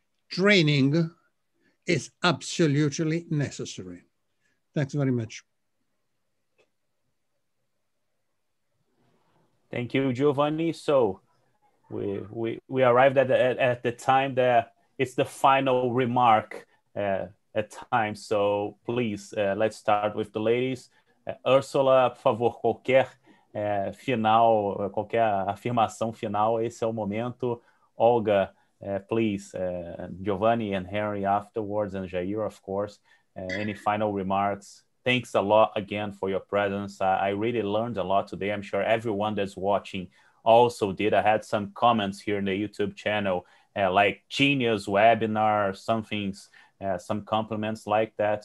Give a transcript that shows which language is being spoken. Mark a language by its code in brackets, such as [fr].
[en] training is absolutely necessary. Thanks very much. Thank you, Giovanni. So we arrived at the time that it's the final remark at time. So please, let's start with the ladies. [pt] Ursula, por favor, qualquer final, qualquer afirmação final, esse é o momento. [en] Olga, please, Giovanni and Harry afterwards, and Jair, of course. Any final remarks? Thanks a lot again for your presence. I really learned a lot today. I'm sure everyone that's watching also did. I had some comments here in the YouTube channel, like genius webinar, some things, some compliments like that.